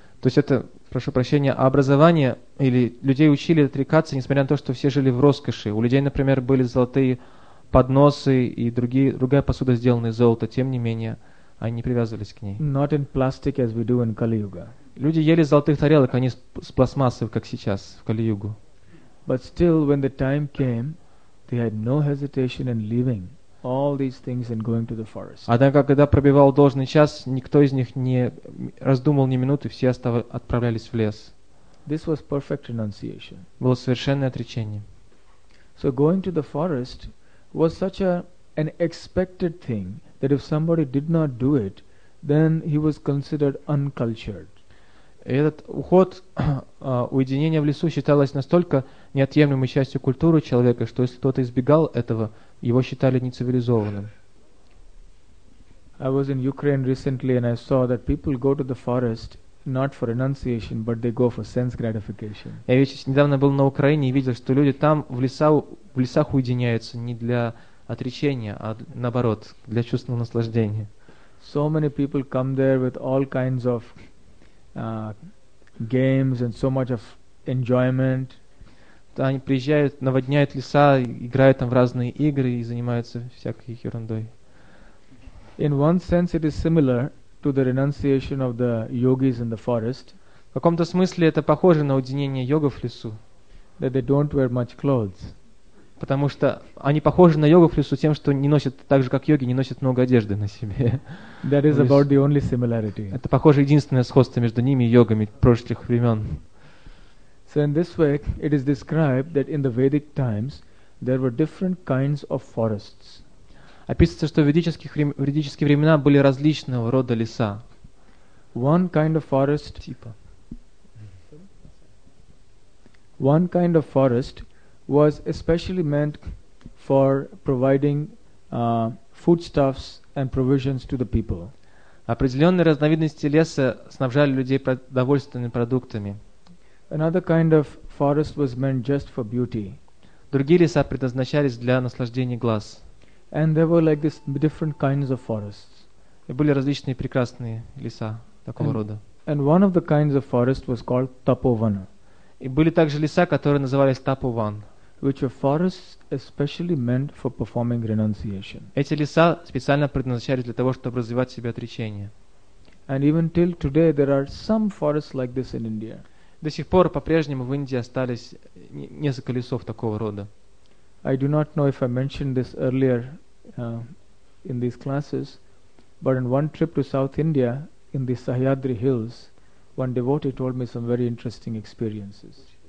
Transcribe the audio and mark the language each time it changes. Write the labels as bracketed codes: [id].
[ru] То есть это, прошу прощения, а образование или людей учили отрекаться, несмотря на то, что все жили в роскоши. У людей, например, были золотые подносы и другая посуда, сделанная из золота. Тем не менее, они не привязывались к ней. [en] Not in plastic, as we do in Kali-Yuga. [ru] Люди ели золотых тарелок, а не с пластмассов, как сейчас, в Кали-Югу. [en] But still, when the time came, they had no hesitation in leaving all these things and going to the forest. [ru] Однако, когда пробивал должный час, никто из них не раздумывал ни минуты, все отправлялись в лес. [en] This was perfect renunciation. [ru] Было совершенное отречение. [en] So going to the forest was such an expected thing that if somebody did not do it, then he was considered uncultured. [ru] И этот уход, уединение в лесу считалось настолько неотъемлемой частью культуры человека, что если кто-то избегал этого, его считали нецивилизованным. [en] I was in Ukraine recently and I saw that people go to the forest not for renunciation, but they go for sense gratification. [ru] Я ведь недавно был на Украине и видел, что люди там в лесах уединяются не для отречения, а наоборот, для чувственного наслаждения. [en] So many people come there with all kinds of games and so much of enjoyment. [ru] Они приезжают, наводняют леса, играют там в разные игры и занимаются всякой ерундой. [en] In one sense, it is similar to the renunciation of the yogis in the forest. [ru] В каком-то смысле это похоже на уединение йогов в лесу. [en] That they don't wear much clothes. [ru] Потому что они похожи на йогов в лесу тем, что не носят, так же как йоги, не носят много одежды на себе. [en] That is about the only similarity. [ru] Это похоже единственное сходство между ними и йогами прошлых времен. [en] So in this way, it is described that in the Vedic times there were different kinds of forests. [ru] Описывается, что в ведические времена были различного рода леса. [en] One kind of forest, [ru] типа. [en] One kind of forest was especially meant for providing foodstuffs and provisions to the people. [ru] Определенные разновидности леса снабжали людей продовольственными продуктами. [en] Another kind of forest was meant just for beauty. [ru] Другие леса предназначались для наслаждения глаз. [en] And there were like this different kinds of forests. [ru] И были различные прекрасные леса такого рода. [en] And one of the kinds of forest was called Tapovana. [ru] И были также леса, которые назывались Tapovan. [en] Which were forests especially meant for performing renunciation. [ru] Эти леса специально предназначались для того, чтобы развивать в себе отречение. [en] And even till today there are some forests like this in India. [ru] До сих пор по-прежнему в Индии остались несколько лесов такого рода. [en] I do not know if I mentioned this earlier in these classes, but in one trip to South India in the Sahyadri Hills, one devotee told me some very interesting experiences.